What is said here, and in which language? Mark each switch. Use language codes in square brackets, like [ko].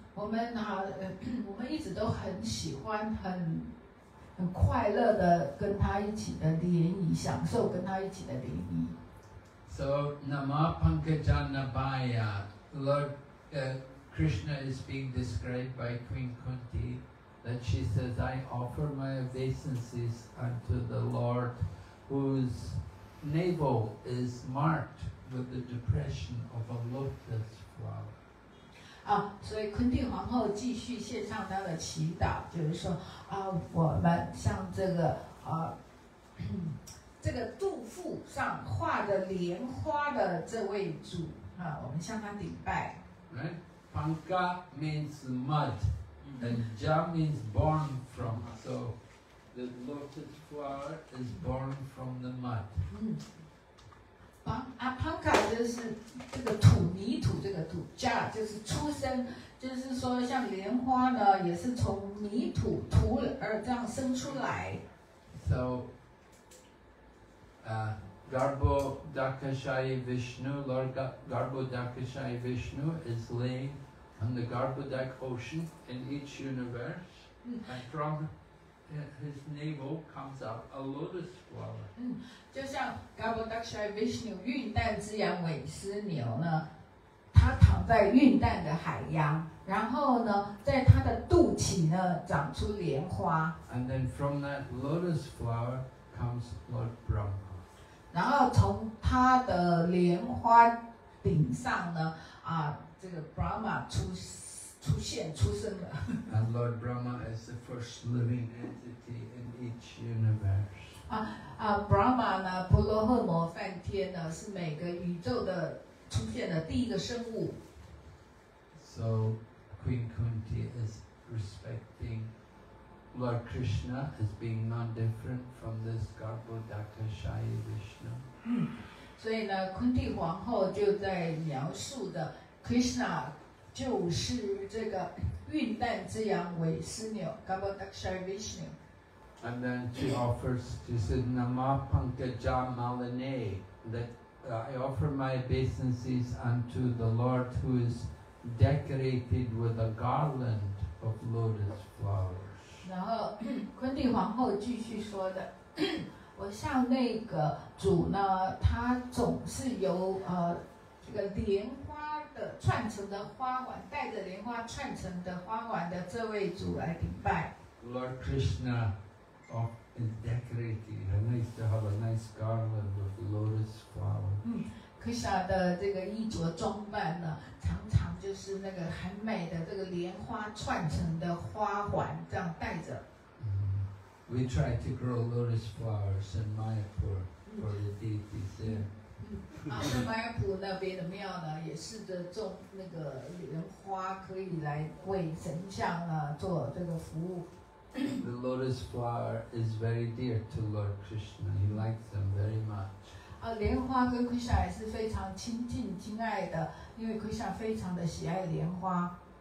[zh] 我们一直都很喜欢很快乐的跟他一起的联谊，享受跟他一起的联谊。 [en] So Nama Pankajana Baya, Lord Krishna is being described by Queen Kunti that she says, I offer my obeisances unto the Lord whose navel is marked with the depression of a lotus flower. [zh] 所以昆蒂皇后继续献上她的祈祷，就是说我们像这个肚腹上画的莲花的这位主我们向他顶拜。 [en] Right? Panka means mud, and ja means born from. So the lotus flower is born from the mud. [zh] Panka 就是这个土，泥土这个土 ，ja 就是出生，就是说像莲花呢，也是从泥土土而这样生出来。 [en] So, Garbo Dakshayi Vishnu, Lord Garbo Dakshayi Vishnu is laying on the Garbhodak ocean in each universe, and from his navel comes up a lotus flower. [zh] 就像 Garbhodakshayi Vishnu 孕蛋滋养尾丝牛呢，他躺在孕蛋的海洋，然后呢，在他的肚脐呢长出莲花。 [en] And then from that lotus flower comes Lord Brahma. [zh] 然后从他的莲花顶上呢，这个 Brahma 出现出生了。 [en] And Lord Brahma is the first living entity in each universe. [zh] Brahma 呢，婆罗诃摩梵天呢，是每个宇宙的出现的第一个生物。 [en] So Queen Kunti is respecting Lord Krishna as being non-different from this Garbhodakshayi Vishnu. [zh] 所以呢，昆蒂皇后就在描述的 Krishna。就是这个孕蛋滋养尾丝牛 Garbhodakshayi Vishnu. [en] And then she offers, she said, Nama Pankaja Malane, that I offer my obeisances unto the Lord who is decorated with a garland of lotus flowers. [zh] 然后昆蒂皇后继续说的，我向那个主呢，他总是由这个莲花串成的花环，带着莲花串成的花环的这位主来顶拜。 [en] Lord Krishna, is decorated. I nice to have a nice garland of lotus flower. [zh] Krishna 的这个衣着装扮呢，常常就是那个很美的这个莲花串成的花环，这样带着。 [en] We try to grow lotus flowers in Mayapur for the deities there. [zh] 在麦阿普那边的庙呢，也试着种那个莲花，可以来为神像啊做这个服务。 [en] The lotus flower is very dear to Lord Krishna. He likes them very much. [zh] 莲花跟 Krishna 也是非常亲近亲爱的，因为 Krishna 非常的喜爱莲花。